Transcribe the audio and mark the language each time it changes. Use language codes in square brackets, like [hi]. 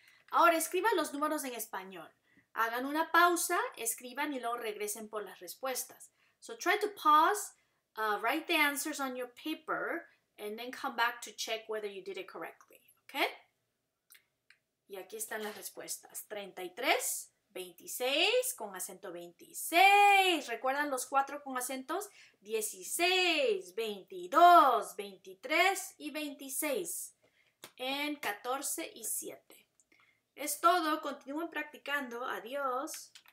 [es] Ahora, escriban los números en español. Hagan una pausa, escriban y luego regresen por las respuestas. [en] So try to pause, write the answers on your paper, and then come back to check whether you did it correctly, okay? [es] Y aquí están las respuestas. 33, 26, con acento 26. ¿Recuerdan los cuatro con acentos? 16, 22, 23 y 26. En 14 y 7. Es todo. Continúen practicando. Adiós.